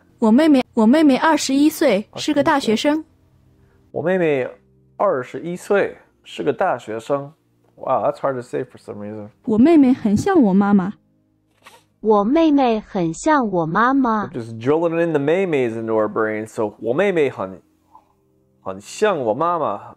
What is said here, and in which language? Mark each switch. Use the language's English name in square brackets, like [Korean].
[Chinese] 我妹妹二十一岁，是个大学生。我妹妹二十一岁，是个大学生。 [English] Wow, that's hard to say for some reason. [Chinese] 我妹妹很像我妈妈。我妹妹很像我妈妈。 [English] We're just drilling in the 妹妹 s into our brain. [Chinese] So 我妹妹很像我妈妈。